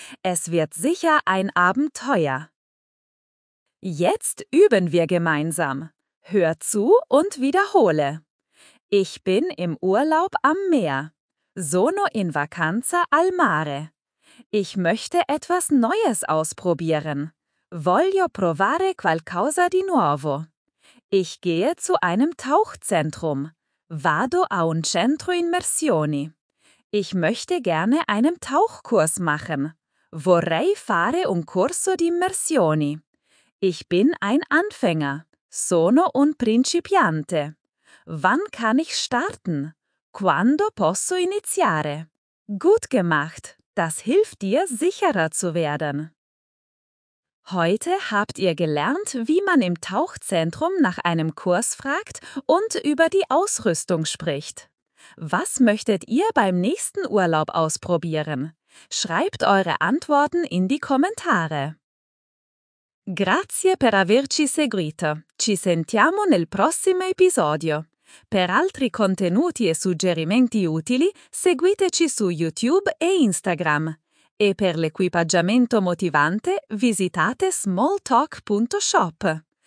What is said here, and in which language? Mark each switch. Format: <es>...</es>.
<de>Es wird sicher ein Abenteuer. Jetzt üben wir gemeinsam. Hör zu und wiederhole. Ich bin im Urlaub am Meer.</de> <it>Sono in vacanza al mare.</it> <de>Ich möchte etwas Neues ausprobieren.</de> <it>Voglio provare qualcosa di nuovo.</it> <de>Ich gehe zu einem Tauchzentrum.</de> <it>Vado a un centro immersioni.</it> <de>Ich möchte gerne einen Tauchkurs machen.</de> <it>Vorrei fare un corso di immersioni.</it> <de>Ich bin ein Anfänger.</de> <it>Sono un principiante.</it> <de>Wann kann ich starten?</de> <it>Quando posso iniziare?</it> <de>Gut gemacht, das hilft dir, sicherer zu werden. Heute habt ihr gelernt, wie man im Tauchzentrum nach einem Kurs fragt und über die Ausrüstung spricht. Was möchtet ihr beim nächsten Urlaub ausprobieren? Schreibt eure Antworten in die Kommentare.</de> <it>Grazie per averci seguito. Ci sentiamo nel prossimo episodio. Per altri contenuti e suggerimenti utili, seguiteci su YouTube e Instagram. E per l'equipaggiamento motivante, visitate smalltalk.shop.</it>